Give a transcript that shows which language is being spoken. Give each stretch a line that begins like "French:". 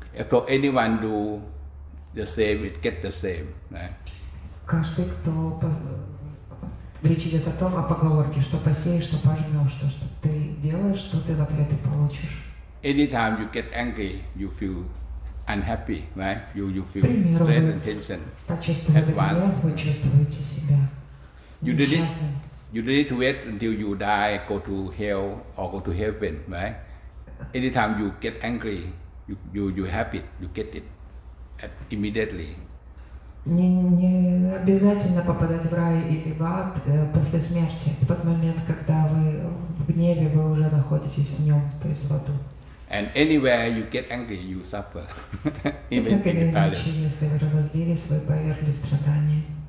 English: So anyone do the same, it gets the same, right?
Russian: Каждый, кто... Речь идет о том, о поговорке, что посеешь, что пожмешь, то, что ты делаешь, что ты в ответ и получишь.
English: Anytime you get angry, you feel unhappy, right? You feel stress and tension.
Russian: Почувствовали гнев, вы чувствуете себя несчастным.
English: You don't need to wait until you die, go to hell or go to heaven, right? Anytime you get angry, you have it, you get it immediately.
Russian: Не обязательно попадать в рай или в ад после смерти, в тот момент, когда вы в гневе, вы уже находитесь в нем, то есть в аду.
English: And anywhere you get angry, you suffer.
Russian: Если вы разозлились, вы повергли страдания.